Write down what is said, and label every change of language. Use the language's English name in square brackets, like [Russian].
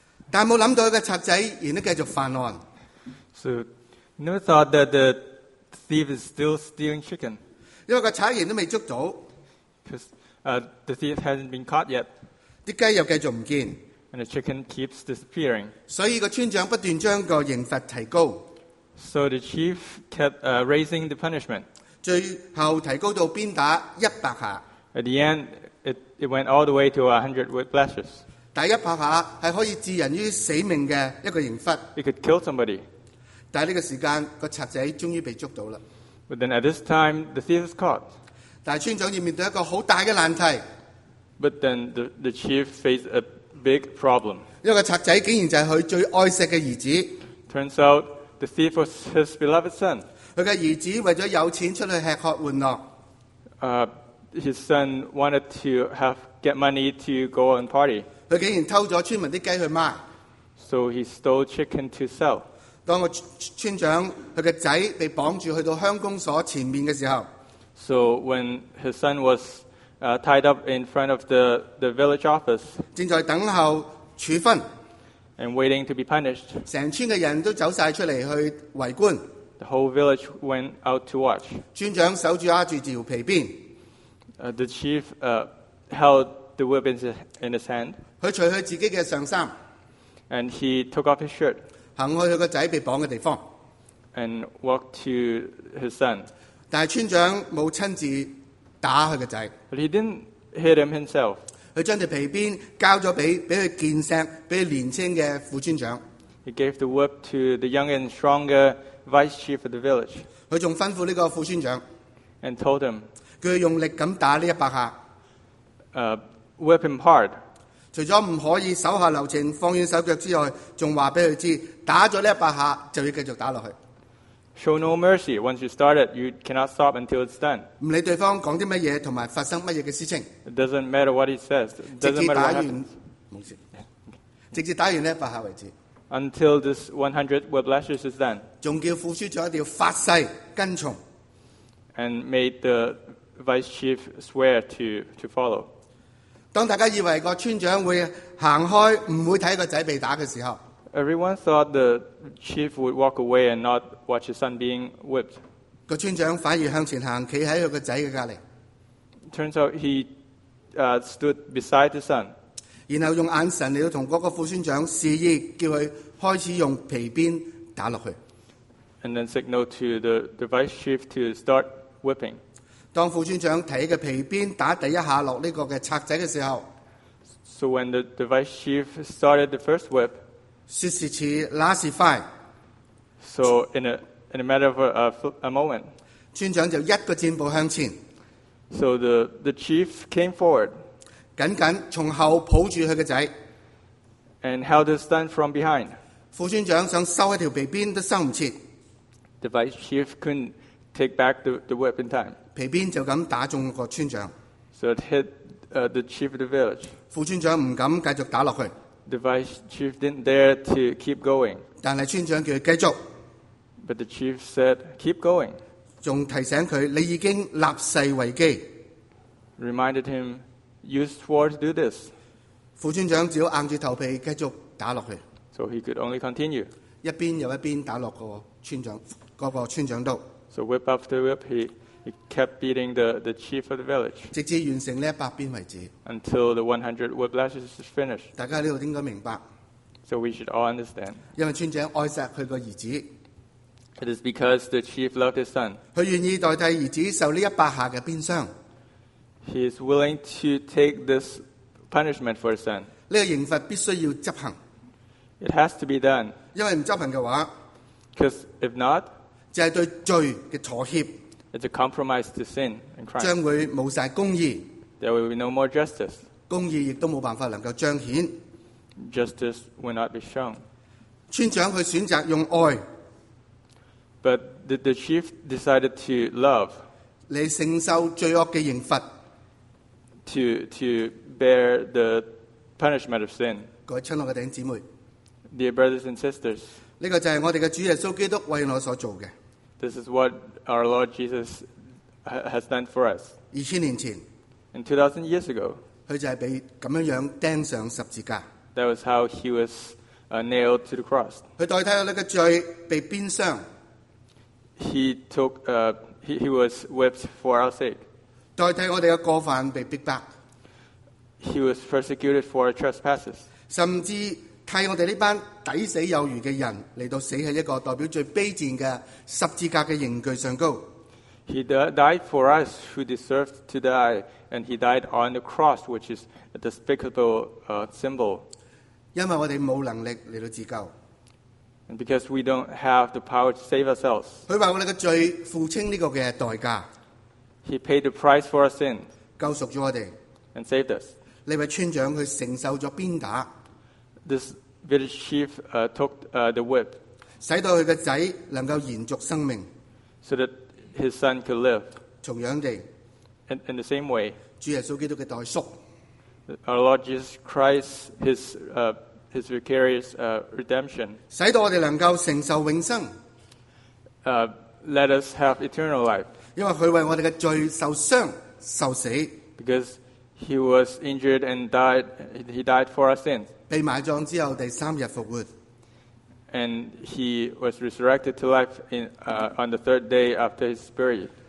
[Cantonese] 但没想到一个贼仔仍然继续犯案。 [English] So, you never thought that the thief is still stealing chicken? [Cantonese] 因为个贼仍然未捉到。 [English] Because the thief hasn't been caught yet. [Cantonese] 啲鸡又继续唔见。 [English] And the chicken keeps disappearing. [Cantonese] 所以个村长不断将个刑罚提高。 [English] So the chief kept raising the punishment. [Cantonese] 最后提高到鞭打一百下。 [English] At the end, it went all the way to 100 with lashes. [Cantonese] 打一百下是可以置人于死命的一个刑罚。 [English] It could kill somebody. [Cantonese] 但这个时间，个贼仔终于被捉到了。 [English] But then at this time, the thief is caught. [Cantonese] 但村长要面对一个好大的难题。 [English] But then the chief faced a big problem. [Cantonese] 一个贼仔竟然就是他最爱惜的儿子。 [English] Turns out the thief was his beloved son. [Cantonese] 他的儿子为了有钱出去吃喝玩乐。 [English] His son wanted to get money to go on party. [Cantonese] 他竟然偷了村民的鸡去卖。 [English] So he stole chicken to sell. [Cantonese] 当个村长他的仔被绑住去到乡公所前面的时候。 [English] So when his son was tied up in front of the village office. [Cantonese] 正在等候处分。 [English] And waiting to be punished. [Cantonese] 整村的人都走晒出来去围观。 [English] The whole village went out to watch. [Cantonese] 村长守住压住条皮鞭。 [English] The chief held the whip in his hand. [Cantonese] 他除去自己的上衫。 [English] And he took off his shirt. [Cantonese] 行去他的仔被绑的地方。 [English] And walked to his son. [Cantonese] 但是村长没有亲自打他的仔。 [English] But he didn't hit him himself. [Cantonese] 他将皮鞭交了给他见识，给他年轻的副村长。 [English] He gave the whip to the young and stronger vice chief of the village. [Cantonese] 他还吩咐这个副村长。 [English] And told him. [Cantonese] 他用力地打这100下。 [English] Whip him hard. [Cantonese] 除了不可以手下留情放软手脚之外，还告诉他知打了这100下就要继续打下去。 [English] Show no mercy. Once you start it, you cannot stop until it's done. [Cantonese] 不理对方讲啲乜嘢同埋发生乜嘢嘅事情。 [English] It doesn't matter what he says. Doesn't matter what happens. [Cantonese] 直接打完呢100下为止。 [English] Until this 100 whip lashes is done. [Cantonese] 还叫副处长一定要发誓跟从。 [English] And made the vice chief swear to follow. [Cantonese] 当大家以为个村长会行开，唔会睇个仔被打嘅时候。 [English] Everyone thought the chief would walk away and not watch his son being whipped. [Cantonese] 个村长反而向前行，企喺佢个仔嘅隔篱。 [English] Turns out he stood beside his son. [Cantonese] 然后用眼神嚟到同嗰个副村长示意，叫佢开始用皮鞭打落去。 [English] And then signaled to the vice chief to start whipping. [Cantonese] 当副村长提起嘅皮鞭打第一下落呢个嘅贼仔嘅时候 [English] ，So when the vice chief started the first whip. [Cantonese] 说时迟，那时快。 [English] So in a matter of a moment, [Cantonese] 村长就一个箭步向前。 [English] So the chief came forward, [Cantonese] 紧紧从后抱住他的仔。 [English] And held his son from behind. [Cantonese] 副村长想收一条皮鞭都收唔切。 [English] The vice chief couldn't take back the whip in time. [Cantonese] 皮鞭就咁打中个村长。 [English] So it hit the chief of the village. [Cantonese] 副村长唔敢继续打落去。 [English] The vice chief didn't dare to keep going. [Cantonese] 但是村长叫他继续。 [English] But the chief said, keep going. [Cantonese] 还提醒他，你已经立誓为基。 [English] Reminded him, you swore to do this. [Cantonese] 副村长只好硬着头皮继续打下去。 [English] So he could only continue. [Cantonese] 一边又一边打下个村长，那个村长刀。 [English] So whip after whip, he kept beating the chief of the village. [Cantonese] 直至完成这100鞭为止。 [English] Until the 100 whip lashes is finished. [Cantonese] 大家在这里应该明白。 [English] So we should all understand. [Cantonese] 因为村长爱惜他的儿子。 [English] It is because the chief loved his son. [Cantonese] 他愿意代替儿子受这100下的鞭伤。 [English] He is willing to take this punishment for his son. [Cantonese] 这个刑罚必须要执行。 [English] It has to be done. [Cantonese] 因为不执行的话。 [English] Because if not. [Cantonese] 就是对罪的妥协。 [English] It's a compromise to sin and crime. [Cantonese] 将会无晒公义。 [English] There will be no more justice. [Cantonese] 公义亦都冇办法能够彰显。 [English] Justice will not be shown. [Cantonese] 村长佢选择用爱。 [English] But the chief decided to love. [Cantonese] 嚟承受罪恶嘅刑罚。 [English] To bear the punishment of sin. [Cantonese] 各位亲爱嘅弟兄姊妹。 [English] Dear brothers and sisters. [Cantonese] 呢个就系我哋嘅主耶稣基督为我所做嘅。 [English] This is what our Lord Jesus has done for us. [Cantonese] 2000年前 [English] ，and 2000 years ago， [Cantonese] 他就是被这样钉上十字架。 [English] That was how he was nailed to the cross. [Cantonese] 他代替了你的罪被鞭伤。 [English] He took he was whipped for our sake. [Cantonese] 代替我们的过犯被逼迫。 [English] He was persecuted for our trespasses. [Cantonese] 甚至替我们这班抵死有余的人来到死在一个代表最卑贱的十字架的刑具上高。 [English] He died for us who deserved to die, and he died on the cross, which is a despicable symbol. [Cantonese] 因为我们没有能力来到自救。 [English] And because we don't have the power to save ourselves. [Cantonese] 他为我们的罪付清这个代价。 [English] He paid the price for our sin. [Cantonese] 救赎了我们。 [English] And saved us. [Cantonese] 利未村长他承受了鞭打。 [English] This village chief took the whip. [Cantonese] 使到他的仔能够延续生命。 [English] So that his son could live. [Cantonese] 同样地。 [English] In the same way. [Cantonese] 主耶稣基督的代赎。 [English] Our Lord Jesus Christ, his vicarious redemption. [Cantonese] 使到我们能够承受永生。 [English] Let us have eternal life. [Cantonese] 因为他为我们的罪受伤受死。 [English] Because he was injured and died, he died for our sins. [Cantonese] 被埋葬之后第三日复活。 [English] And he was resurrected to life in, on the third day after his burial.